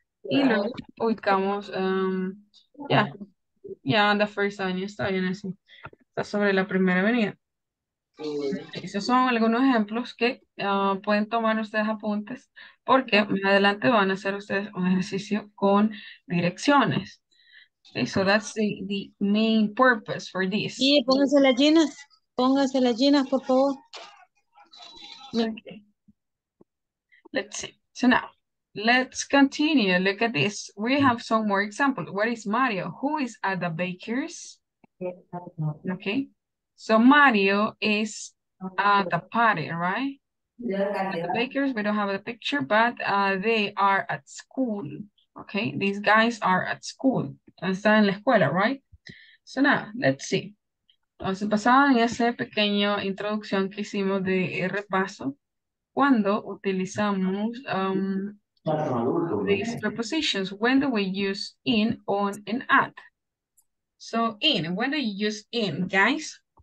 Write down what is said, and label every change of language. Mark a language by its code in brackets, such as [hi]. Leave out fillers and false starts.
[es] Y luego ubicamos, [en] on the First Avenue, [es] está bien así, está sobre la Primera Avenida. Esos son algunos ejemplos que pueden tomar ustedes apuntes, porque más adelante van a hacer ustedes un ejercicio con direcciones. [en] Okay, so that's the main purpose for this. [es] Sí, pónganse las llenas, por favor. [en] Okay. Let's see, so now. Let's continue. Look at this. We have some more examples. Where is Mario? Who is at the baker's? Okay. So Mario is at the party, right? At the baker's, we don't have a picture, but they are at school. Okay. These guys are at school. [es] Están en la escuela, [en] right? So now, let's see. [es] Entonces, basado en ese pequeño introducción que hicimos de repaso, cuando utilizamos... [en] these prepositions, when do we use in, on, and at? So, in, when do you use in, guys?